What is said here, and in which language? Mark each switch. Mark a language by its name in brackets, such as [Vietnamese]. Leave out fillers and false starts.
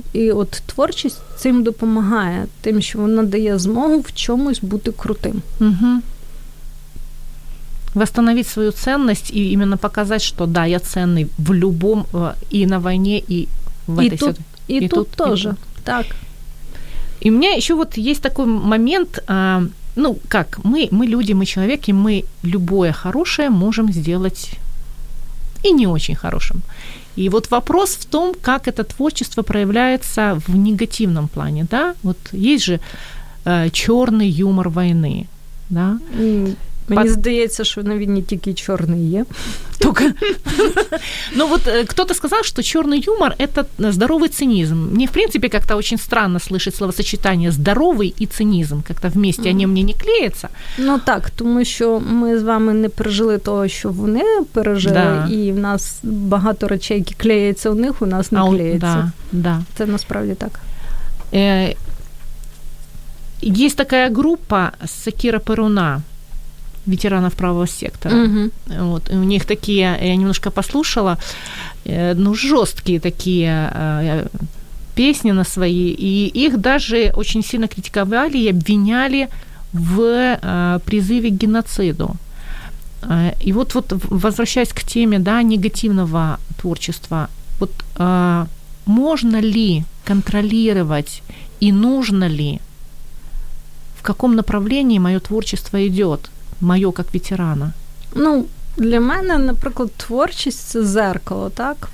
[Ukrainian] І от творчість цим допомагає, тим, що вона дає змогу в чомусь бути крутим. Угу. Восстановити свою цінність і іменно показати, що да, я цінний в будь-якому, і на війні, і в цій ситуації. І тут теж, так. [Russian] И у меня еще вот есть такой момент, ну, как, мы люди, мы человек, и мы любое хорошее можем сделать и не очень хорошим. И вот вопрос в том, как это творчество проявляется в негативном плане, да? Вот есть же черный юмор войны, да? [Ukrainian] Мне здається, что навіть не тільки чорний є. [Russian] Только... Ну вот кто-то сказал, что чёрный юмор – это здоровый цинизм. Мне, в принципе, как-то очень странно слышать словосочетание «здоровый» и «цинизм». Как-то вместе они мне не клеятся. [Ukrainian] Ну так, тому що ми з вами не пережили того, що вони пережили, [Russian] да. [Ukrainian] І в нас багато речей, які клеються у них, у нас не клеються. [Russian] Да, да. [Ukrainian] Це насправді так. Є така група Сакіра Перуна. [Russian] Ветеранов правого сектора. Угу. Вот. У них такие, я немножко послушала, ну, жесткие такие песни на свои. И их даже очень сильно критиковали и обвиняли в призыве к геноциду. И вот, возвращаясь к теме, да, негативного творчества, вот можно ли контролировать и нужно ли, в каком направлении мое творчество идет? [Ukrainian] Моє, як ветерана. Ну, для мене, наприклад, творчість – це зеркало, так?